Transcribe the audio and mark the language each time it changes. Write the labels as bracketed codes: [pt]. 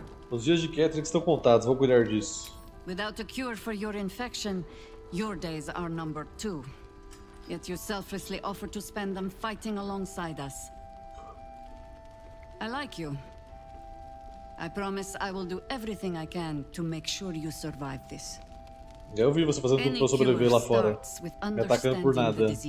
[pt] Os dias de Catherick estão contados, vou cuidar disso. [en] Without a cure for your infection, your days are numbered too. Yet you selflessly offer to spend them fighting alongside us. I like you. I promise I will do everything I can to make sure you survive this. [pt] Eu vi você fazendo tudo para sobreviver lá fora, me atacando por nada.